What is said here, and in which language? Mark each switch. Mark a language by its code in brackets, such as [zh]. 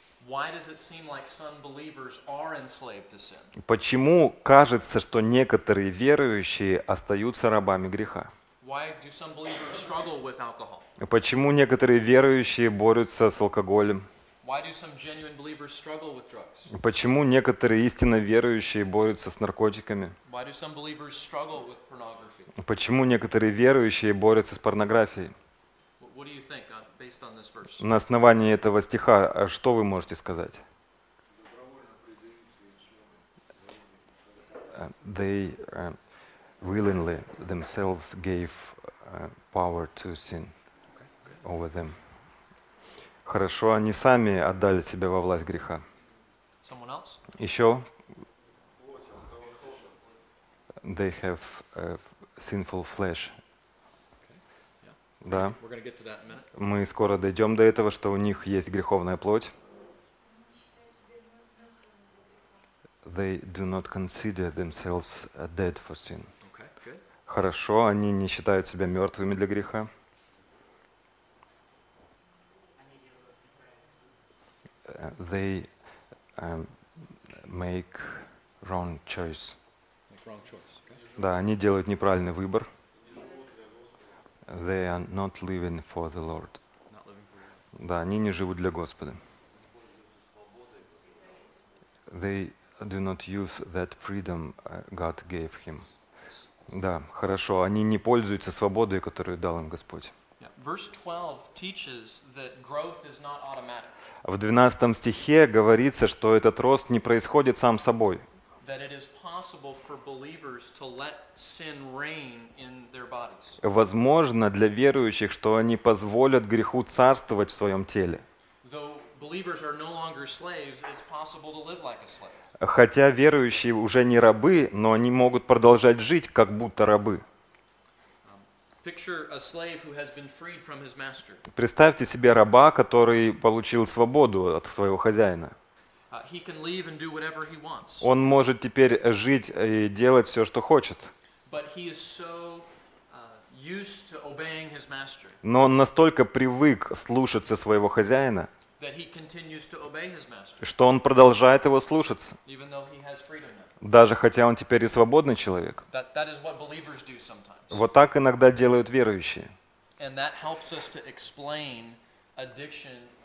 [en] Why does it seem like some believers are enslaved to sin? [ru] Почему кажется, что некоторые верующие остаются рабами греха? [en] Why do some believers struggle with alcohol? [ru] Почему некоторые верующие борются с алкоголем? [en] Why do some genuine believers struggle with drugs? [ru] Почему некоторые истинно верующие борются с наркотиками? [en] Why do some believers struggle with pornography? [ru] Почему некоторые верующие борются с порнографией? [en] What do you think based on this verse? [ru] На основании этого стиха, что вы можете сказать? [en] They willingly themselves gave power to sin over them. [ru] Хорошо, они сами отдали себя во власть греха. [en] Someone else? [ru] Еще? [en] They have a sinful flesh. [ru] Да. Мы скоро дойдем до этого, что у них есть греховная плоть. [en] They do not consider themselves dead for sin. Okay, good. [ru] Хорошо, они не считают себя мертвыми для греха. [en] They make wrong choice. Okay. [ru] Да, они делают неправильный выбор. [en] They are not living for the Lord. [ru] Да, они не живут для Господа. [en] They do not use that freedom God gave him. [ru] Да, хорошо, они не пользуются свободой, которую дал им Господь. [en] Verse 12 teaches that growth is not automatic. [ru] В 12 стихе говорится, что этот рост не происходит сам собой. [en] That it is possible for believers to let sin reign in their bodies. [ru] Возможно для верующих, что они позволят греху царствовать в своем теле. [en] Though believers are no longer slaves, it's possible to live like a slave. [ru] Хотя верующие уже не рабы, но они могут продолжать жить как будто рабы. [en] Picture a slave who has been freed from his master. [ru] Представьте себе раба, который получил свободу от своего хозяина. [en] He can leave and do whatever he wants. [ru] Он может теперь жить и делать все, что хочет. [en] But he is so used to obeying his master. [ru] Но он настолько привык слушаться своего хозяина, [en] that he continues to obey his master. [ru] Что он продолжает его слушаться. [en] Even though he has freedom now. [ru] Даже хотя он теперь и свободный человек. [en] That is what believers do sometimes. [ru] Вот так иногда делают верующие. [en] And that helps us to explain addiction.